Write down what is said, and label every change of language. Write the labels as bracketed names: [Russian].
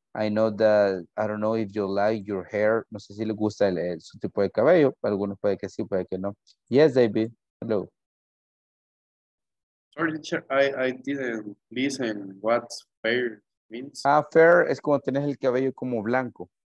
[English] I know that, I don't know if you like your hair. [Spanish] No sé si le gusta su tipo de cabello. Algunos puede que sí, puede que no. Yes, David. Hello. [English] Sorry, teacher, I didn't listen what fair means. [Spanish] Ah, fair es cuando tienes el cabello como blanco.